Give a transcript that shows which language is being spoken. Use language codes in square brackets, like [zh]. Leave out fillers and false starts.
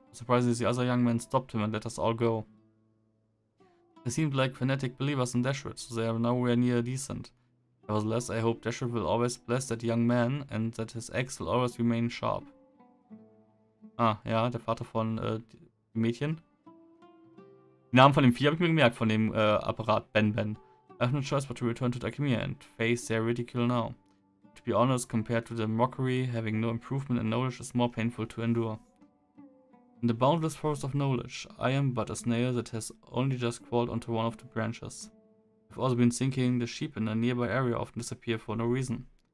[en] Surprisingly, the other young man stopped him and let us all go. They seemed like fanatic believers in Deshrit, so they are nowhere near decent. Nevertheless, I hope Deshrit will always bless that young man and that his axe will always remain sharp. [de] Ah, ja, der Vater von dem Mädchen. Den Namen von dem Vieh habe ich mir gemerkt, von dem Apparat Ben. [en] I have no choice but to return to Dakimir and face their ridicule now. To be honest, compared to the mockery, having no improvement in knowledge is more painful to endure. In the boundless forest of knowledge, I am but a snail that has only just crawled onto one of the branches. I've also been thinking the sheep in a nearby area often disappear for no reason.